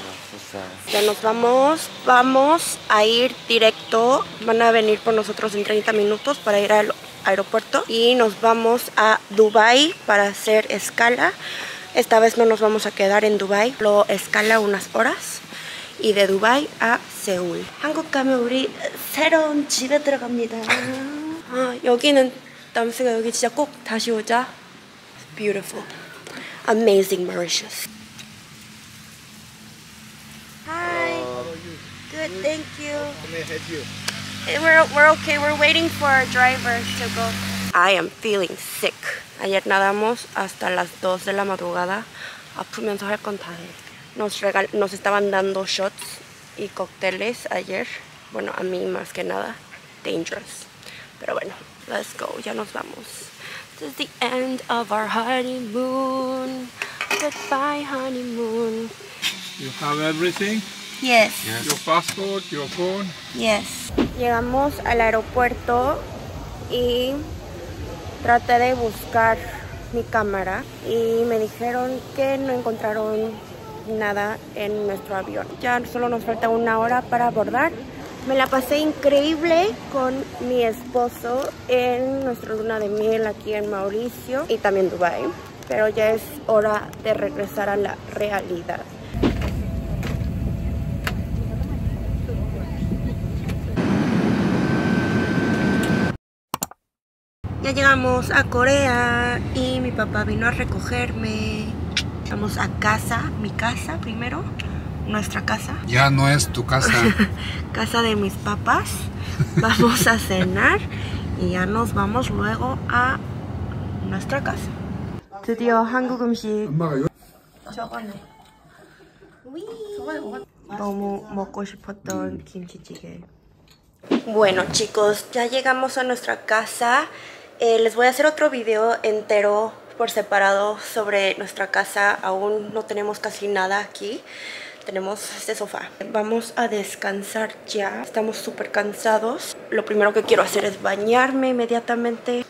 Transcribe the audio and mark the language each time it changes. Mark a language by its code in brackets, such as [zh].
[en] So sad. [es] Ya nos vamos. Vamos a ir directo. Van a venir por nosotros en 30 minutos para ir al aeropuerto. Y nos vamos a Dubai para hacer escala. Esta vez no nos vamos a quedar en Dubai. Lo escala unas horas. Y de Dubai a Seúl. [ko] 한국 가면 우리 새로운 집에 들어갑니다. 여기는 남수가 여기 진짜 꼭 다시 오자. [en] It's beautiful. Amazing Mauritius. Hi. Good, thank you. Can I help you? We're okay. We're waiting for our driver to go. I am feeling sick. [es] Ayer nadamos hasta las 2 de la madrugada. Aprimiento al contado. Nos estaban dando shots y cócteles ayer. Bueno, a mí más que nada. Dangerous. Pero bueno. [en] Let's go, [es] ya nos vamos. [en] This is the end of our honeymoon. Goodbye, honeymoon. You have everything? Yes. Your passport, your phone? Yes. [es] Llegamos al aeropuerto y traté de buscar mi cámara y me dijeron que no encontraron nada en nuestro avión. Ya solo nos falta una hora para abordar. Me la pasé increíble con mi esposo en nuestra luna de miel aquí en Mauricio y también Dubai. Pero ya es hora de regresar a la realidad. Ya llegamos a Corea y mi papá vino a recogerme. Vamos a casa, mi casa primero. Nuestra casa. Ya no es tu casa. Casa de mis papás. Vamos a cenar y ya nos vamos luego a nuestra casa. [ko] 드디어 한국 음식. 엄마가 저번에 위 너무 먹고 싶었던 김치찌개. [es] Bueno, chicos, ya llegamos a nuestra casa. Les voy a hacer otro video entero por separado sobre nuestra casa. Aún no tenemos casi nada aquí. tenemos este sofá. Vamos a descansar ya. Estamos súper cansados. Lo primero que quiero hacer es bañarme inmediatamente.